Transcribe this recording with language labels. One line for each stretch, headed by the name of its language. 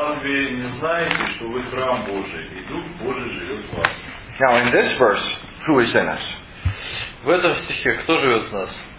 Russian: Разве не знаете, что вы храм Божий, и Дух Божий живет в вас?
English: Now in this verse, who is in us?
Russian: В этом стихе кто живет в нас?